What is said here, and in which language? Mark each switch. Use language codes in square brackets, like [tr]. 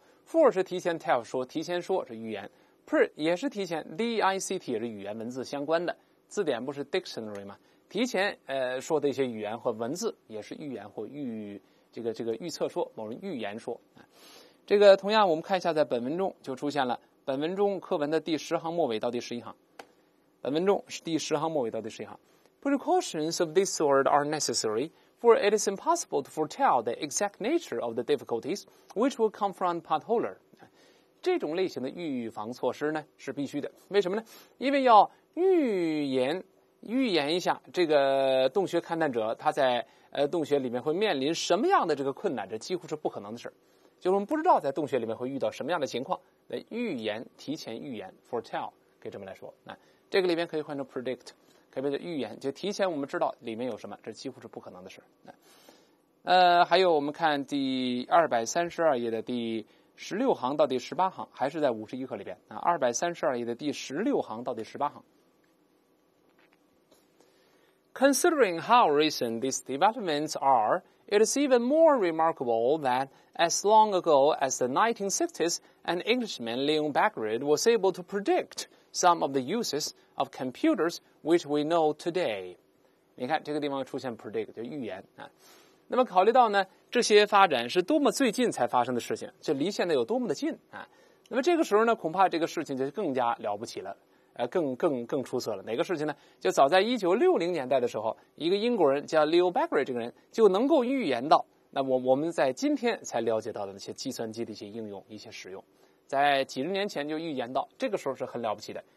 [zh] fore 是提前， tell 说提前说，是预言。pre 也是提前， dict 也是语言文字相关的，字典不是 dictionary 吗？提前说的一些语言或文字也是预言或预测说，某人预言说。这个同样我们看一下，在本文中就出现了，本文中课文的第10行末尾到第11行，本文中是第10行末尾到第11行。 [en] Precautions of this sort are necessary, for it is impossible to foretell the exact nature of the difficulties which will confront potholder。 [zh] 这种类型的预防措施呢是必须的，为什么呢？因为要预言一下这个洞穴勘探者他在洞穴里面会面临什么样的这个困难，这几乎是不可能的事，就是我们不知道在洞穴里面会遇到什么样的情况，那预言，提前预言 foretell 可以这么来说。那这个里面可以换成 predict， 可以变成预言，就提前我们知道里面有什么，这几乎是不可能的事。还有我们看第232页的第16行到第18行，还是在51课里边，232页的第16行到第18行。 [en] Considering how recent these developments are, it is even more remarkable that as long ago as the 1960s, an Englishman, Leon Bagrat, was able to predict some of the uses of computers which we know today. [zh] 你看这个地方出现 predict， 就预言啊。那么考虑到呢，这些发展是多么最近才发生的事情，就离现在有多么的近啊！那么这个时候呢，恐怕这个事情就更加了不起了，更出色了。哪个事情呢？就早在1960年代的时候，一个英国人叫 Leo Bagrat 这个人就能够预言到，那我们在今天才了解到的那些计算机的一些应用、一些使用，在几十年前就预言到，这个时候是很了不起的。